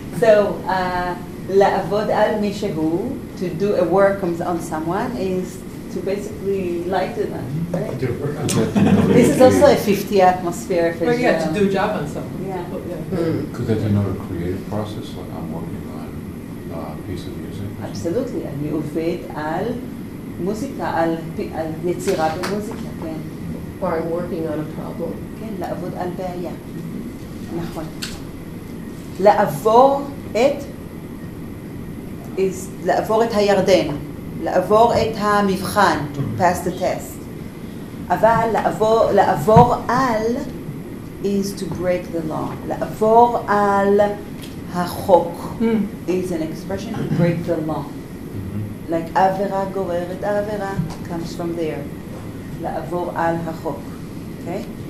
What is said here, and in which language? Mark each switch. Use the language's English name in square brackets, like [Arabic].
[English] So, [Hebrew] la'avod al mishehu, [English] to do a work on someone, is to basically lie to them, right? This is also a 50 atmosphere. Or you have to do a job on someone. Yeah. Could that denote a creative process, like I'm working on a piece of music? Absolutely. [Hebrew] אני עובד על מוזיקה, על יצירה במוזיקה, כן. [English] Or I'm working on a problem. [Hebrew] כן, לעבוד על בעיה. נכון. לעבור את is לעבור את הירדן. לעבור את המבחן. [English] Pass the test. [Hebrew] אבל לעבור על [English] is to break the law. [Hebrew] לעבור על החוק [English] is an expression to break the law. Like [Hebrew] avera goreret avera [English] comes from there. [Hebrew] La'avor al hachok. [English] Okay?